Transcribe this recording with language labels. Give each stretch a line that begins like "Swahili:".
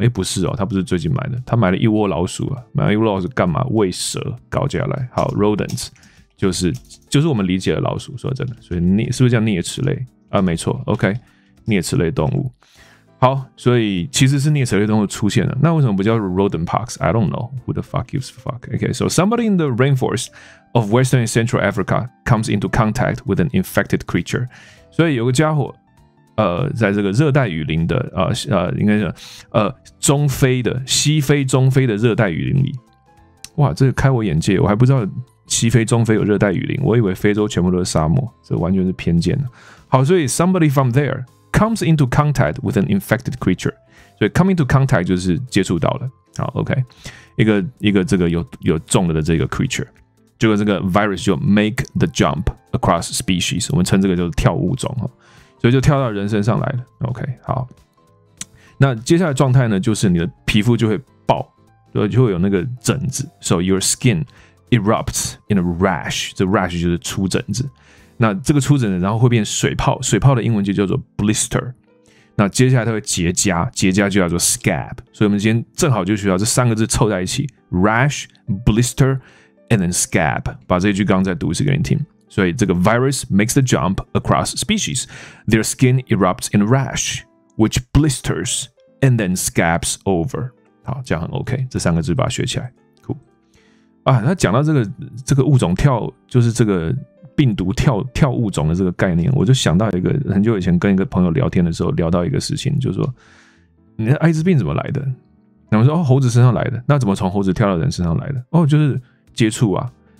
Chinese: 欸，不是哦，她不是最近买的，她买了一窝老鼠啊，买了一窝老鼠干嘛？喂蛇，搞下来。好 ，rodents 就是我们理解的老鼠。说真的，所以啮是不是叫啮齿类啊？没错 ，OK， 啮齿类动物。好，所以其实是啮齿类动物出现了。那为什么不叫 rodent pox？
English: I don't know who the fuck gives a fuck. Okay, so somebody in the rainforest of Western and Central Africa comes into contact with an infected creature.
Chinese: 所以有个家伙，在这个热带雨林的应该是中非的西非中非的热带雨林里，哇，这个开我眼界，我还不知道西非中非有热带雨林，我以为非洲全部都是沙漠，这完全是偏见。好，所以
English: somebody from there。Comes into contact with an infected creature. So come into contact
Chinese: 就是接触到了。好 ，OK， 一个这个有中了的这个 creature， 结果这个 virus 就
English: make the jump across species，
Chinese: 我们称这个叫做跳物种，所以就跳到人身上来了。 OK， 好，那接下来状态呢，就是你的皮肤就会爆，所以就会有那个疹子。
English: So your skin erupts in a rash， 这 rash
Chinese: 就是出疹子。那这个出疹子然后会变水泡，水泡的英文就叫做 blister。那接下来它会结痂，结痂就叫做 scab。所以我们今天正好就学到这三个字凑在一起，
English: rash, blister, and then scab。
Chinese: 把这一句刚再读一次给你听。所以这个
English: virus makes the jump across species. Their skin erupts in a rash, which blisters and then scabs over.
Chinese: 好，这样很 OK， 这三个字把它学起来。
English: cool。
Chinese: 啊，那讲到这个物种跳，就是这个病毒跳物种的这个概念，我就想到一个很久以前跟一个朋友聊天的时候聊到一个事情，就是说你的艾滋病怎么来的？他们说，哦，猴子身上来的。那怎么从猴子跳到人身上来的？哦，就是接触啊。